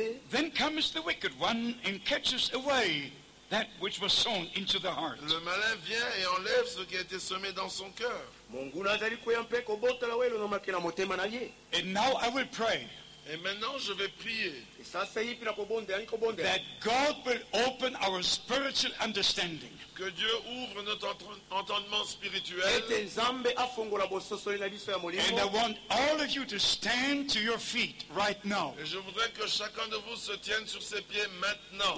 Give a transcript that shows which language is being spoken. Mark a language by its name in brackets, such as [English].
[English] then comes the wicked one and catches away that which was sown into the heart. [French] Le malin vient et enlève ce qui a été semé dans son cœur. [English] And now I will pray. [French] Et maintenant je vais prier. [English] That God will open our spiritual understanding. [French] Que Dieu ouvre notre entendement spirituel. [English] And I want all of you to stand to your feet right now. [French] Et je voudrais que chacun de vous se tienne sur ses pieds maintenant.